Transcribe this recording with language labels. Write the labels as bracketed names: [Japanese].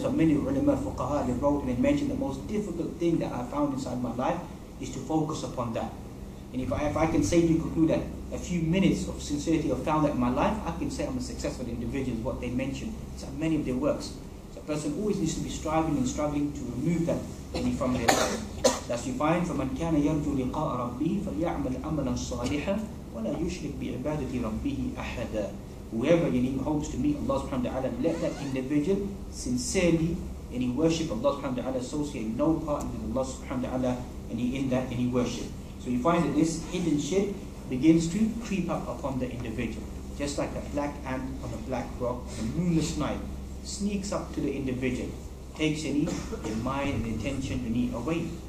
[English] That's what many ulama fuqaha they wrote and they mentioned. The most difficult thing that I found inside my life is to focus upon that. And if I can safely conclude that a few minutes of sincerity I've found that in my life, I can say I'm a successful individual, what they mentioned. It's like many of their works. So a person always needs to be struggling to remove that from their life. Thus you find, [Arabic] فَمَنْ كَانَ يَرْجُوا لِقَاءَ رَبِّهِ فَلْيَعْمَلْ عَمَلًا صَالِحًا وَلَا يُشْرِكْ بِعِبَادَةِ رَبِّهِ أَحَدًا. [English] Whoever hopes to meet Allah subhanahu wa ta'ala, let that individual sincerely worship Allah subhanahu wa ta'ala, associate no partner with Allah subhanahu wa ta'ala in that worship. So you find that this hidden shirk begins to creep up upon the individual. just like a black ant on a black rock on a moonless night, sneaks up to the individual, takes any the mind and intention you need away.